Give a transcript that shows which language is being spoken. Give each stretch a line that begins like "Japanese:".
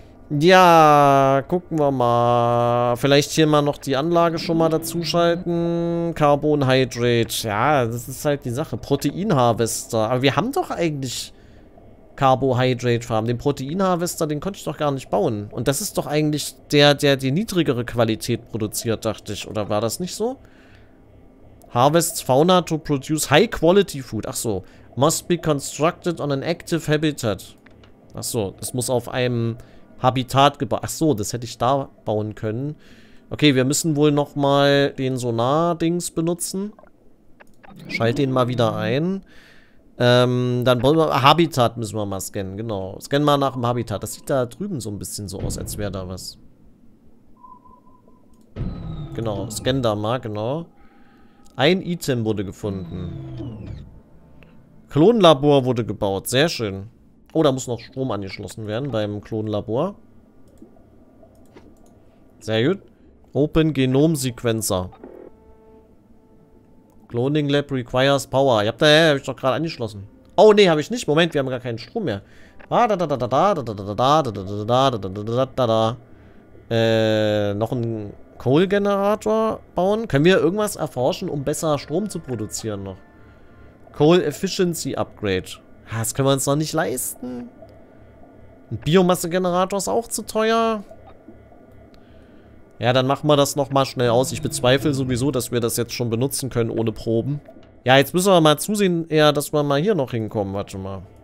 German: Ja, gucken wir mal. Vielleicht hier mal noch die Anlage schon mal dazuschalten. Carbonhydrate. Ja, das ist halt die Sache. Proteinharvester. Aber wir haben doch eigentlich Carbohydrate Farm. Den Proteinharvester, den konnte ich doch gar nicht bauen. Und das ist doch eigentlich der, der die niedrigere Qualität produziert, dachte ich. Oder war das nicht so?
English: Harvests Fauna to produce high quality food.
German: Ach so.
English: Must be constructed on an active habitat. Ach so.
German: Es muss auf einem Habitat gebaut. Ach so, das hätte ich da bauen können. Okay, wir müssen wohl nochmal den Sonar-Dings benutzen. Schalt den mal wieder ein. Dann wollen wir Habitat müssen wir mal scannen, genau. Scannen mal nach dem Habitat. Das sieht da drüben so ein bisschen so aus, als wäre da was. Genau, scannen da mal, genau. Ein Item wurde gefunden. Klonlabor wurde gebaut, sehr schön. Oh, da muss noch Strom angeschlossen werden beim Klonlabor. Sehr gut. Open Genome Sequencer.
English: Cloning Lab requires power.
German: Ich hab da, hab ich doch gerade angeschlossen. Oh nee, habe ich nicht. Moment, wir haben gar keinen Strom mehr. Ah, da, da, da, da, da, da, da, da, da, da, da, da, da, da, da, da, da, da, da, da, da, da, noch einen Kohlegenerator bauen. Können wir irgendwas erforschen, um besser Strom zu produzieren noch?
English: Coal Efficiency Upgrade.
German: Das können wir uns noch nicht leisten. Ein Biomassegenerator ist auch zu teuer. Ja, dann machen wir das nochmal schnell aus. Ich bezweifle sowieso, dass wir das jetzt schon benutzen können ohne Proben. Ja, jetzt müssen wir mal zusehen, eher, dass wir mal hier noch hinkommen. Warte mal.